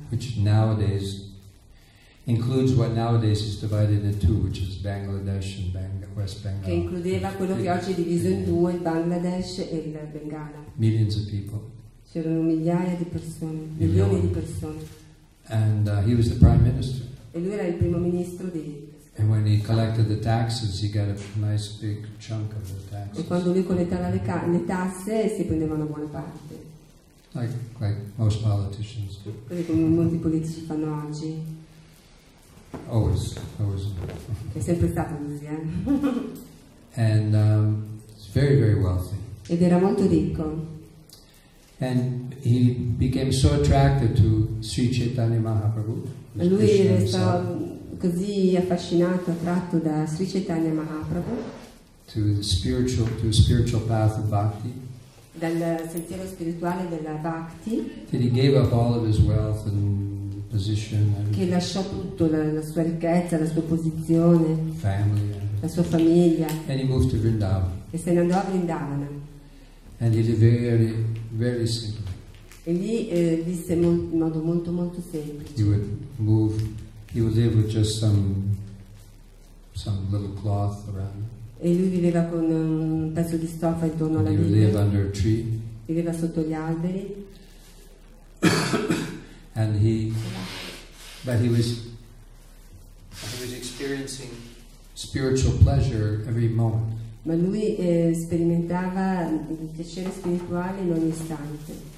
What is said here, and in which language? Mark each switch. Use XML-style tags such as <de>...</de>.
<en>Which nowadays includes what nowadays is divided in two, which is Bangladesh and West Bengal.</en> <it>Che includeva quello che oggi è diviso in due, il Bangladesh e il Bengala.</it> <en>Millions of people.</en> <it>C'erano migliaia di persone, milioni di persone.</it> <en>And he was the prime minister.</en> <it>E lui era il primo ministro di.</it> <en>And when he collected the taxes, he got a nice big chunk of the taxes.</en> <it>E quando lui collettava le tasse, si prendeva una buona parte.</it> <en>Like most politicians do.</en> <it>Così come molti politici fanno oggi.</it> <en>Always.</en> <it>È sempre stato così,</it> <en>And very, very wealthy.</en> <it>Ed era molto ricco.</it> <en>And he became so attracted to Sri Chaitanya Mahaprabhu.</en> <it>E lui era stato così affascinato, attratto da Sri Chaitanya Mahaprabhu.</it> <en>To the spiritual path of bhakti.</en> <it>Dal sentiero spirituale della bhakti.</it> <en>That he gave up all of his wealth and position,</en> <it>che lasciò tutto, la sua ricchezza, la sua posizione,</it> <en>family,</en> <it>la sua famiglia,</it> <en>and he moved to Vrindavan.</en> <it>E se ne andò a Vrindavana.</it> <en>And he lived very, very simply.</en> <it>E lì visse in modo molto, molto semplice.</it> <en>He would live with just some little cloth around.</en> <it>E lui viveva con un pezzo di stoffa intorno alla vita. Viveva sotto gli alberi.</it> <en>And he was experiencing spiritual pleasure every moment.</en> <it>Ma lui sperimentava il piacere spirituale in ogni istante.</it>